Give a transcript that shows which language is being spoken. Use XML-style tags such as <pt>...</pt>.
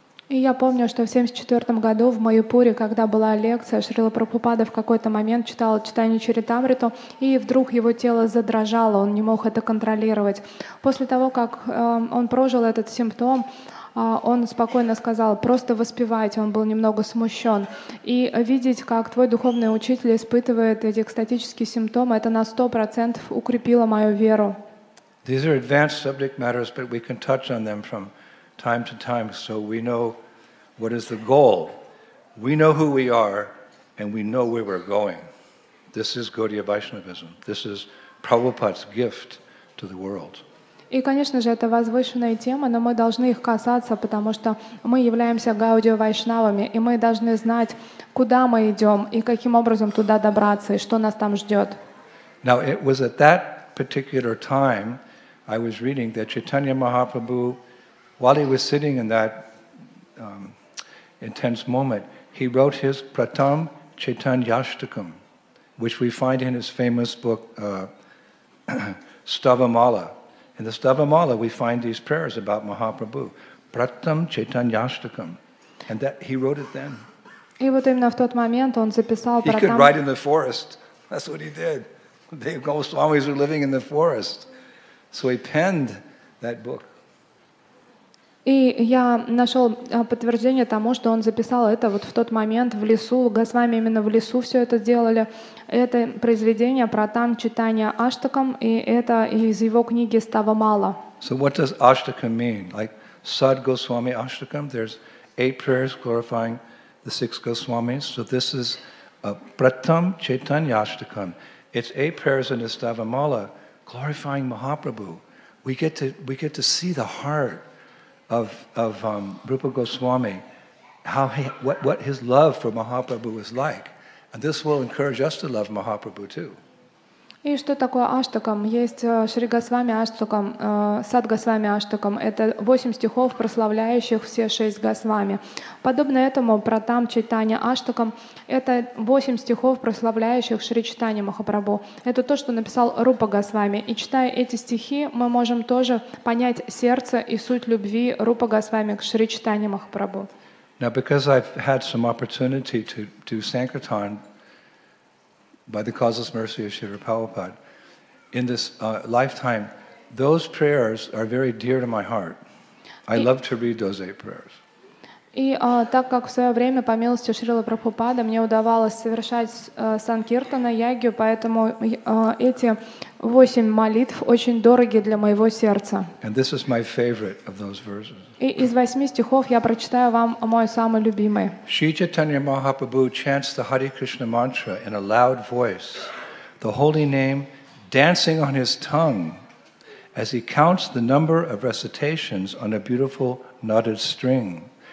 <ru>И я помню, что в 1974 году в Майяпуре, когда была лекция, Шрила Прабхупада в какой-то момент читал читание Чаритамриту, и вдруг его тело задрожало, он не мог это контролировать. После того, как он прожил этот симптом, он спокойно сказал, просто воспевайте, он был немного смущен. И видеть, как твой духовный учитель испытывает эти экстатические симптомы, это на 100% укрепило мою веру.</ru> <en>These are advanced subject matters, but we can touch on them from time to time, so we know what is the goal. We know who we are, and we know where we're going. This is Gaudiya Vaishnavism. This is Prabhupada's gift to the world.</en> <ru>И, конечно же, это возвышенная тема, но мы должны их касаться, потому что мы являемся Гаудия Вайшнавами, и мы должны знать, куда мы идем, и каким образом туда добраться, и что нас там ждет.</ru> <en>Now, it was at that particular time I was reading that Chaitanya Mahaprabhu, while he was sitting in that intense moment, he wrote his Pratham Chaitanyashtakam, which we find in his famous book, Stavamala. In the Stavamala, we find these prayers about Mahaprabhu. Pratham Chaitanyashtakam. And that he wrote it then.</en> <ru>И вот именно в тот момент он записал</ru> <en>Pratham. He could write in the forest. That's what he did. The Goswamis were living in the forest. So he penned that book.</en> <ru>И я нашел подтверждение тому, что он записал это вот в тот момент в лесу. Госвами именно в лесу все это делали. Это произведение Pratham Chaitanyashtakam, и это из его книги Stavamala.</ru> <en>So what does Ashtakam mean? Like Sad Goswami Ashtakam, there's 8 prayers glorifying the 6 Goswamis. So this is a Pratham Chaitanyashtakam. It's 8 prayers in the Stavamala glorifying Mahaprabhu. We get to see the heart of Rupa Goswami, how he, what his love for Mahaprabhu was like, And this will encourage us to love Mahaprabhu too.</en> <ru>И что такое аштакам? Есть Шри Госвами аштакам, Садгасвами аштакам. Это 8 стихов, прославляющих все 6 Госвами. Подобно этому Пратам Чайтанья аштакам – это 8 стихов, прославляющих Шри Чайтанья Махапрабху. Это то, что написал Рупа Госвами. И читая эти стихи, мы можем тоже понять сердце и суть любви Рупа Госвами к Шри Чайтанья Махапрабху.</ru> <en>Now, because I've had some opportunity to do Sankirtan by the causeless mercy of Srila Prabhupada, in this lifetime, those prayers are very dear to my heart. I love to read those 8 prayers.</en> <ru>И так как в свое время, по милости Шрилы Прабхупады, мне удавалось совершать санкиртана, ягью, поэтому эти 8 молитв очень дороги для моего сердца.</ru> <en>And this is my favorite of those verses.</en> <ru>И из 8 стихов я прочитаю вам мой самый любимый.</ru> <en>Шри Чайтанья Махапрабху chants the Hare Krishna mantra in a loud voice, the holy name dancing on his tongue as he counts the number of recitations on a beautiful knotted string.</en>